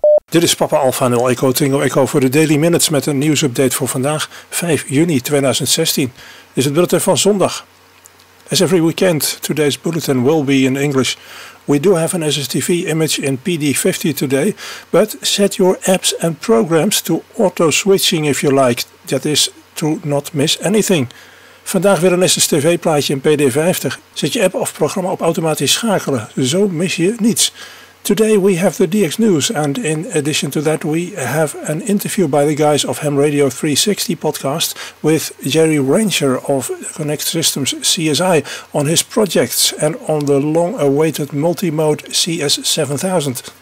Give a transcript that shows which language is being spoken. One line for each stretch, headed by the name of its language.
Dutch: Dit is Papa Alpha 0 Echo Tango Echo voor de Daily Minutes met een nieuwsupdate voor vandaag, 5 juni 2016. Is het bulletin van zondag.
English: As every weekend, today's bulletin will be in English. We do have an SSTV image in PD50 today, but set your apps and programs to auto-switching if you like. That is to not miss anything.
Dutch: Vandaag weer een SSTV plaatje in PD50. Zet je app of programma op automatisch schakelen. Zo mis je niets.
English: Today we have the DX News, and in addition to that we have an interview by the guys of Ham Radio 360 podcast with Jerry Rancher of Connect Systems CSI on his projects and on the long-awaited multimode CS7000.